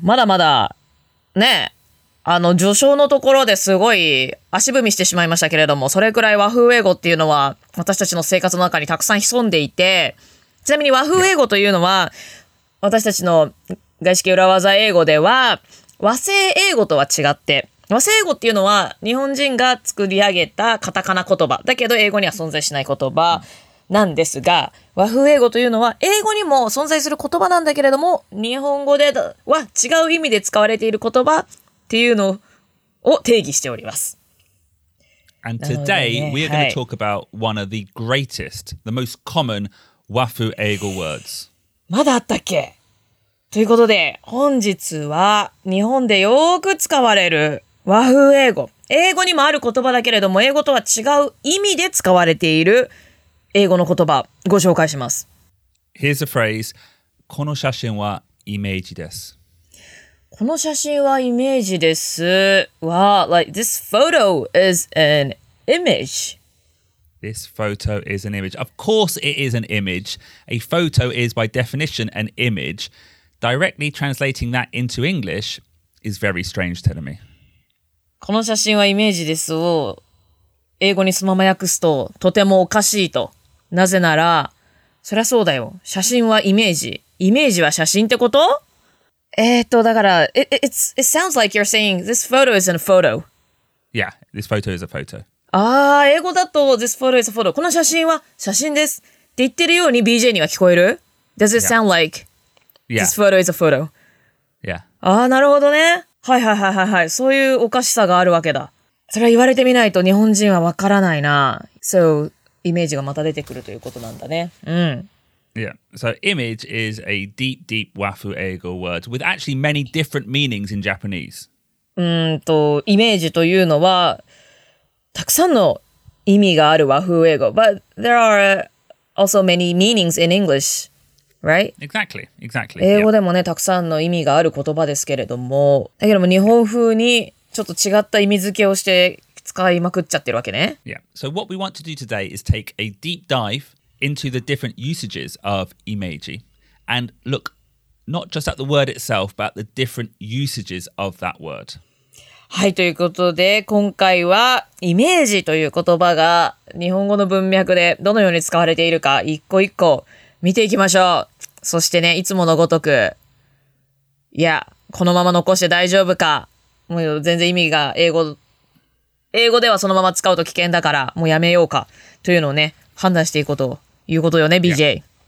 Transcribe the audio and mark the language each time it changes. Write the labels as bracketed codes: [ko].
[ja] まだまだね、序章のところですごい足踏みしてしまいましたけれども、それくらい和風英語っていうのは私たちの生活の中にたくさん潜んでいて、ちなみに和風英語というのは私たちの外資系裏技英語では和製英語とは違って、和製英語っていうのは日本人が作り上げたカタカナ言葉だけど英語には存在しない言葉。なんですが、和風英語というのは英語にも存在する言葉なんだけれども、日本語では違う意味で使われている言葉っていうのを定義しております。 [en] And today、ね、we are going to talk about one of the greatest, the most common 和風英語 words。 [ja] まだあったっけ。ということで本日は日本でよく使われる和風英語、英語にもある言葉だけれども英語とは違う意味で使われている英語の言葉ご紹介します。 [en] Here's a phrase。 [ja] この写真はイメージです。この写真はイメージですは、 [en] like, This photo is an image。 This photo is an image. Of course it is an image. A photo is by definition an image. Directly translating that into English is very strange, tell me. [ja] この写真はイメージですを英語にそのまま訳すととてもおかしいと。なぜなら、そりゃそうだよ。写真はイメージ。イメージは写真ってこと？ [en] だから、it sounds like you're saying this photo is a photo. Yeah, this photo is a photo. [ja] ああ、英語だと [en] this photo is a photo. [ja] この写真は写真です。って言ってるように BJ には聞こえる？ [en] Does it sound like this photo is a photo? Yeah. [ja] ああ、なるほどね。はいはいはいはいはい。そういうおかしさがあるわけだ。それは言われてみないと日本人はわからないな。 So、イメージがまた出てくるということなんだね。うん。 [en] Yeah, so image is a deep, deep wafu eigo word with actually many different meanings in Japanese. [ja] イメージというのはたくさんの意味がある和風英語。 [en] But there are also many meanings in English, right? Exactly, exactly. [ja] 英語でもね、たくさんの意味がある言葉ですけれども、だけども日本風にちょっと違った意味付けをして使いまくっちゃってるわけね。 [en] Yeah, so what we want to do today is take a deep dive. Into the different usages of imeji and look not just at the word itself but at the different usages of that word. [ja] はい、ということで今回はイメージという言葉が日本語の文脈でどのように使われているか一個一個見ていきましょう。そしてね、いつものごとく、いや、このまま残して大丈夫か、もう全然意味が英語ではそのまま使うと危険だからもうやめようかというのをね、判断していくことを言うことよね、BJ。